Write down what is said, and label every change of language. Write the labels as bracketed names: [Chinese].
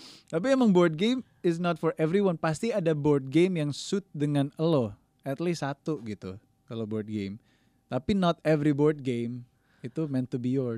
[Indonesian] Tapi emang [English] board game is not for everyone. [Indonesian] Pasti ada board game yang suit dengan lo. [English] At least [Indonesian] satu gitu, kalau board game. [English] Tapi not every board game itu meant to be yours.